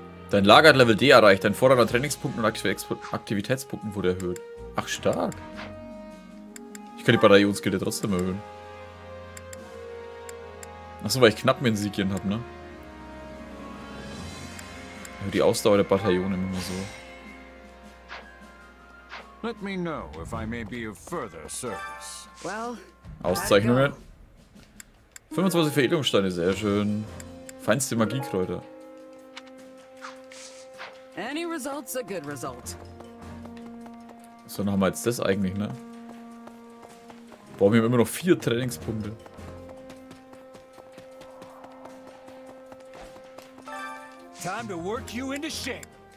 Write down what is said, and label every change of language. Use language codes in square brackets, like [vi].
[de] Dein Lager hat Level D erreicht, dein Vorrat an Trainingspunkten und Aktivitätspunkten wurde erhöht. Ach, stark. Ich kann die Bataillonsgilde trotzdem erhöhen. Achso, weil ich knapp mit Insignien habe, ne? Die Ausdauer der Bataillone immer so. [en] Let me know if I may be of further service. [de] Well, Auszeichnungen. 25 Veredelungssteine, sehr schön. Feinste Magiekräuter. [en] Any result's a good result. [de] So, dann haben wir jetzt das eigentlich, ne? Boah, wir haben immer noch 4 Trainingspunkte. [en] Time to work you into shape.